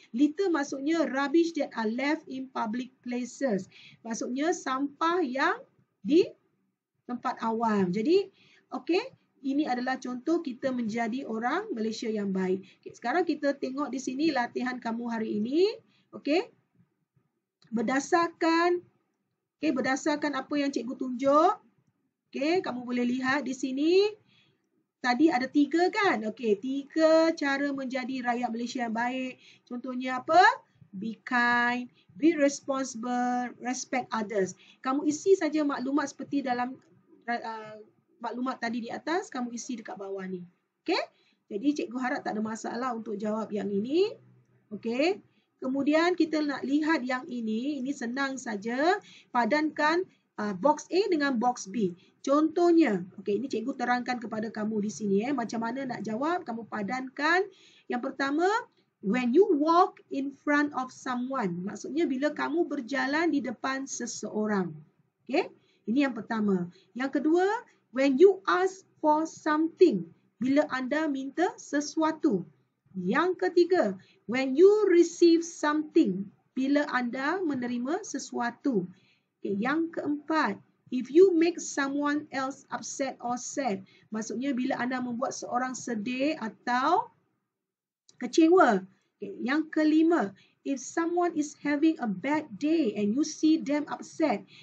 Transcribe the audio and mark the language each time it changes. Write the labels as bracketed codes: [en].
[en] Litter [ms] maksudnya [en] rubbish that are left in public places. [ms] Maksudnya sampah yang di tempat awam. Jadi, okay, ini adalah contoh kita menjadi orang Malaysia yang baik. Okay, sekarang kita tengok di sini latihan kamu hari ini. Okey. Berdasarkan okey, berdasarkan apa yang cikgu tunjuk, okey, kamu boleh lihat di sini Tadi ada tiga kan? Okey, tiga cara menjadi rakyat Malaysia yang baik. Contohnya apa? [en] Be kind, be responsible, respect others. [ms] Kamu isi saja maklumat seperti dalam maklumat tadi di atas, kamu isi dekat bawah ni. Okey? Jadi cikgu harap tak ada masalah untuk jawab yang ini. Okey? Kemudian kita nak lihat yang ini. Ini senang saja. Padankan box A dengan box B. Contohnya, okey, ini cikgu terangkan kepada kamu di sini. Macam mana nak jawab, kamu padankan. Yang pertama, [en] when you walk in front of someone. [ms] Maksudnya bila kamu berjalan di depan seseorang. Okey, ini yang pertama. Yang kedua, [en] when you ask for something. [ms] Bila anda minta sesuatu. Yang ketiga, [en] when you receive something. [ms] Bila anda menerima sesuatu. [en] Okay, yang keempat, if you make someone else upset or sad. [ms] Maksudnya bila anda membuat seorang sedih atau kecewa. [en] Okay, [ms] yang kelima, [en] if someone is having a bad day and you see them upset.